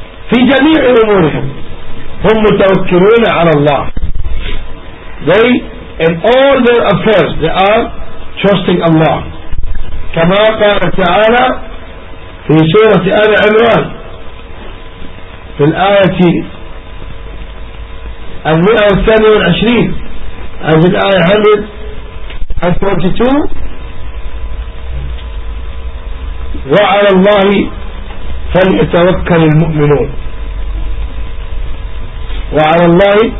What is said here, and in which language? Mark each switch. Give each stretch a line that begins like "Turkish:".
Arabic: في جميع أمورهم هم متوكلون على الله.
English: They in all their affairs they are trusting Allah.
Arabic: كما قال تعالى في سورة آل عمران في الآية 122 في الآية 122 وعلى الله فليتوكل المؤمنون. وعلى الله